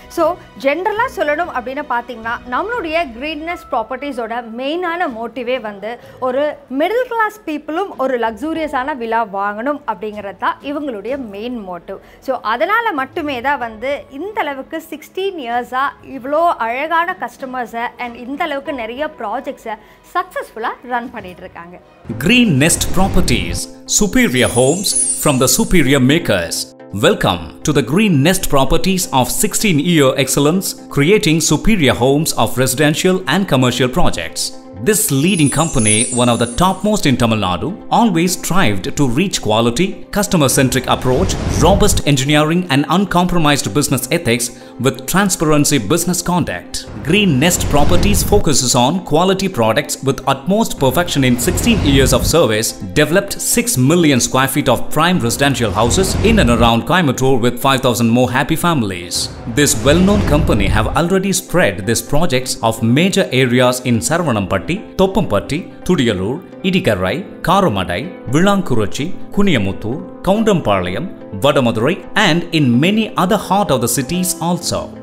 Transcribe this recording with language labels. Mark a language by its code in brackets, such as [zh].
[ta] So ஜென்ரலாக சொல்லணும் அப்படின்னு பார்த்தீங்கன்னா நம்மளுடைய கிரீன்னஸ் ப்ராப்பர்ட்டிஸோட மெயினான மோட்டிவே வந்து ஒரு மிடில் கிளாஸ் பீப்புளும் ஒரு லக்ஸூரியஸான விலா வாங்கணும் அப்படிங்கிறது தான் இவங்களுடைய மெயின் மோட்டிவ். ஸோ அதனால் மட்டுமே தான் வந்து இந்த அளவுக்கு 16 இயர்ஸாக இவ்வளோ அழகான கஸ்டமர்ஸை அண்ட் இந்த அளவுக்கு நிறைய ப்ராஜெக்ட்ஸை சக்ஸஸ்ஃபுல்லாக ரன் பண்ணிட்டு இருக்காங்க. [en] Green Nest Properties, superior homes from the superior makers. Welcome to the Green Nest Properties of 16-year excellence, creating superior homes of residential and commercial projects. This leading company, one of the topmost in Tamil Nadu, always strived to reach quality, customer-centric approach, robust engineering and uncompromised business ethics with transparency business conduct. Green Nest Properties focuses on quality products with utmost perfection in 16 years of service, developed 6 million square feet of prime residential houses in and around Coimbatore with 5,000 more happy families. This well-known company have already spread these projects of major areas in Saravanampatti, Thoppampatti, Thudiyalur, Idigarai, Karamadai, Vilankurichi, Kuniyamuthur, Kavundampalayam, Vadamadurai and in many other heart of the cities also.